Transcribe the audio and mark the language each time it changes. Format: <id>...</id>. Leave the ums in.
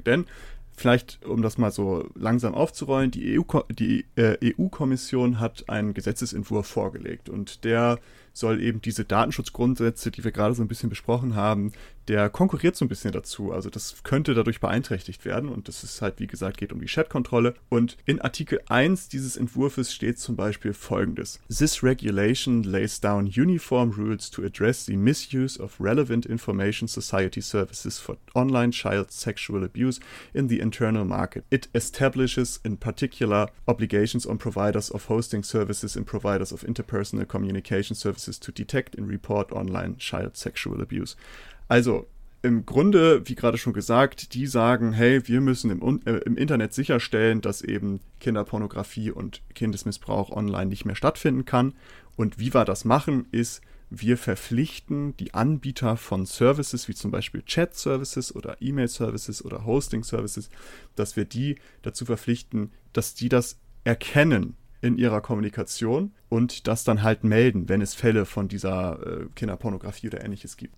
<de>Denn vielleicht, um das mal so langsam aufzurollen, die EU-Kommission EU hat einen Gesetzesentwurf vorgelegt und der soll eben diese Datenschutzgrundsätze, die wir gerade so ein bisschen besprochen haben, der konkurriert so ein bisschen dazu. Also das könnte dadurch beeinträchtigt werden. Und das ist halt, wie gesagt, geht um die Chatkontrolle. Und in Artikel 1 dieses Entwurfs steht zum Beispiel folgendes.</de> <en>This regulation lays down uniform rules to address the misuse of relevant information society services for online child sexual abuse in the internal market. It establishes in particular obligations on providers of hosting services and providers of interpersonal communication services to detect and report online child sexual abuse.</en> <de>Also im Grunde, wie gerade schon gesagt, die sagen, hey, wir müssen im, äh, im, Internet sicherstellen, dass eben Kinderpornografie und Kindesmissbrauch online nicht mehr stattfinden kann. Und wie wir das machen, ist, wir verpflichten die Anbieter von Services, wie zum Beispiel Chat-Services oder E-Mail-Services oder Hosting-Services, dass wir die dazu verpflichten, dass die das erkennen, in ihrer Kommunikation und das dann halt melden, wenn es Fälle von dieser äh, Kinderpornografie oder ähnliches gibt.</de>